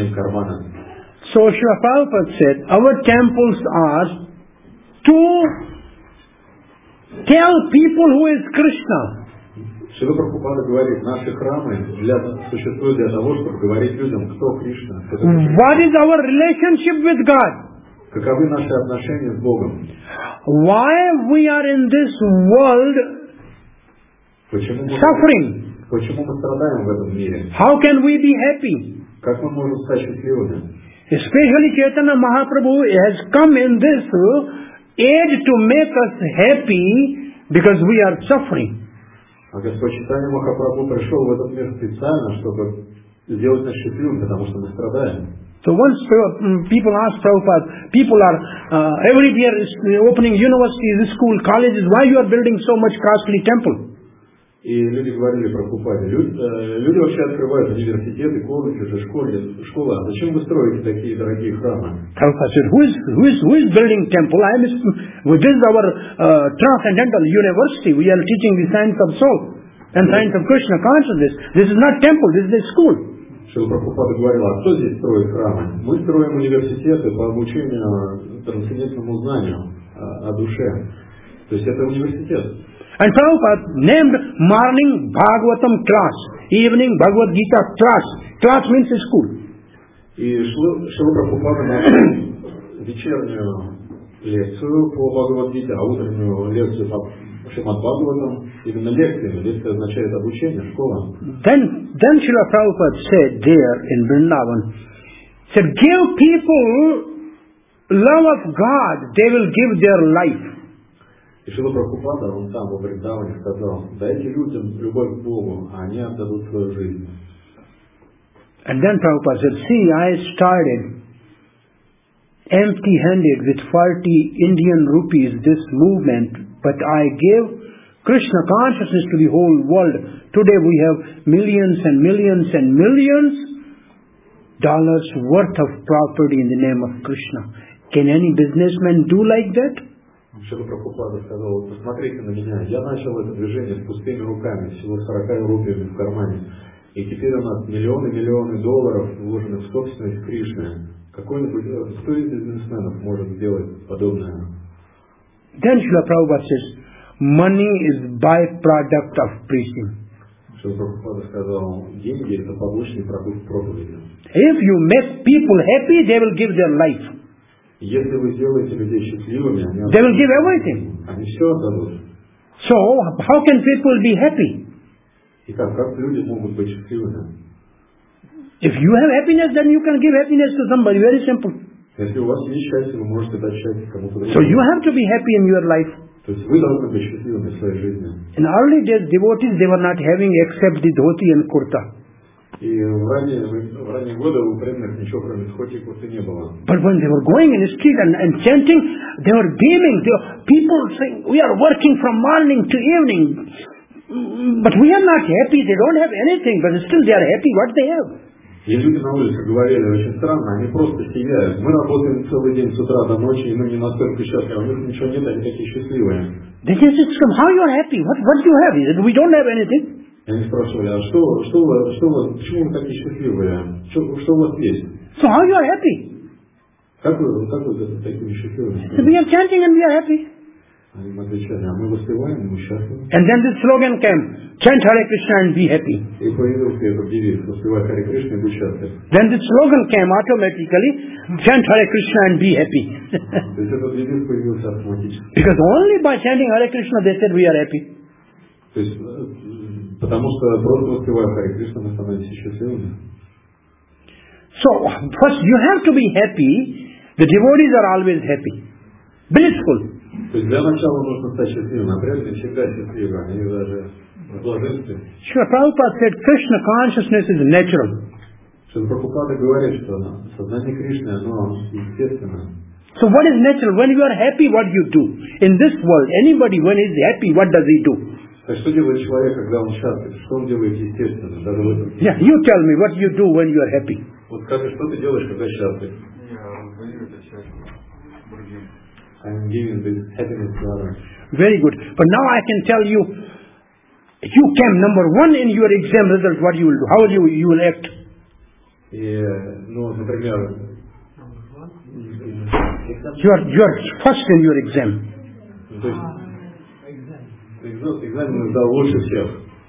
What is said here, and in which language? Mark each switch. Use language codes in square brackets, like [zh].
[en] So Srila Prabhupada said, our temples are to tell people who is Krishna. [ru] Шрила Прабхупада говорит, наши храмы существуют для того, чтобы говорить людям, кто Кришна. [en] What is our relationship with God? [ru] Каковы наши отношения с Богом? [en] Why we are in this world suffering? [ru] Почему мы страдаем в этом мире? [en] How can we be happy? [ru] Как мы можем стать счастливыми? [en] Especially Chaitanya Mahaprabhu has come in this age to make us happy because we are suffering. [ru] А Господь Чайтанья Махапрабху пришел в этот мир специально, чтобы сделать нас счастливыми, потому что мы страдаем. [en] So once people ask Prabhupada, people are every year is opening universities, school, colleges, why you are building so much costly temple? [ru] И люди говорили Прабхупаде, люди вообще открывают университеты, колледжи, школы, а зачем вы строите такие дорогие храмы? [en] Prabhupada said, who is building temple? I am, this is our transcendental university, we are teaching the science of soul and science of Krishna consciousness. This is not temple, this is a school. [ru] Шрила Прабхупада говорила, а кто здесь строит храмы? Мы строим университеты по обучению трансцендентному знанию о душе. То есть это университет. [en] And Prabhupada named morning Bhagavatam class, evening Bhagavad Gita class. Class means a school. [ru] И Шрила Прабхупада на вечернюю лекцию по Бхагавад Гите, а утреннюю лекцию по Шримад Бхагаватам, именно лекция. Лекция означает обучение, школа. [en] Then Шрила Прабхупада said there in Vrindavan, said, give people love of God, they will give their life. [ru] И Шрила Прабхупада, он там во Вриндаване сказал, дайте людям любовь к Богу, а они отдадут свою жизнь. [en] And then Prabhupada said, see, I started empty-handed with 40 Indian rupees this movement, but I gave Krishna consciousness to the whole world. Today we have millions and millions and millions dollars worth of property in the name of Krishna. Can any businessman do like that? [ru] Шрила Прабхупада сказал, посмотрите на меня, я начал это движение с пустыми руками, всего 40 рупиями в кармане. И теперь у нас миллионы и миллионы долларов вложены в собственность Кришны. Какой-нибудь, кто из бизнесменов может сделать подобное? [en] Then Шрила Прабхупада says, money is byproduct of preaching. [ru] Шрила Прабхупада сказал, деньги это побочный продукт проповеди. [en] If you make people happy, they will give their life. [ru] Если вы сделаете людей счастливыми, они, [en] they will give everything. [ru] Они все отдадут. [en] So, how can people be happy? [ru] Итак, как люди могут быть счастливыми? [en] If you have happiness, then you can give happiness to somebody. Very simple. [ru] Если у вас есть счастье, вы можете дать счастье кому-то другому. [en] So you have to be happy in your life. [ru] То есть вы должны быть счастливыми в своей жизни. [en] In early days, devotees, they were not having except the dhoti and kurta. [ru] И в ранние годы у преданных ничего кроме дхоти и курты не было. [en] But when they were going in the street and chanting, they were beaming. People saying, we are working from morning to evening. But we are not happy. They don't have anything. But still they are happy. What they have? [ru] И люди на улице говорили, очень странно, они просто сияют. Мы работаем целый день с утра до ночи, и мы не настолько счастливы. У них ничего нет, они такие счастливые. [en] They just ask, how you are happy? What do you have? He said, we don't have anything. [ru] Они спрашивали, а что у вас, почему вы такие счастливые? Что у вас есть? [en] So how you are happy? [ru] Как вы такими счастливыми? [en] So we are chanting and we are happy. [ru] Они отвечали, а мы воспеваем, мы счастливы. [en] And then this slogan came, chant Hare Krishna and be happy. [ru] И появился этот девиз, воспевай Hare Krishna и будь счастлив. [en] Then this slogan came automatically, chant Hare Krishna and be happy. [ru] То есть этот девиз появился автоматически. [en] Because only by chanting Hare Krishna they said we are happy. [ru] То есть потому что просто воспевая Харе Кришна, мы становимся счастливыми. [en] So, first you have to be happy. The devotees are always happy. Blissful. [ru] То есть для начала нужно стать счастливым. А прежде всегда счастливы. Они даже в блаженстве. [en] Шри Прабхупада said, Krishna consciousness is natural. [ru] Шрила Прабхупада говорит, что сознание Кришны, оно естественно. [en] So what is natural? When you are happy, what do you do? In this world, anybody when he is happy, what does he do? [ru] Так что делает человек, когда он счастлив? Что он делает естественно? Даже в этом. [en] Yeah, you tell me what you do when you are happy. [ru] Вот скажи, что ты делаешь, когда счастлив? Я отдаю это счастье другим. [en] I'm giving the happiness to others. Very good. But now I can tell you, you came number one in your exam result. What you will do? How you will act? [ru] Yeah, ну, например. [en] You are first in your exam. [ru] Exam сдал лучше всех.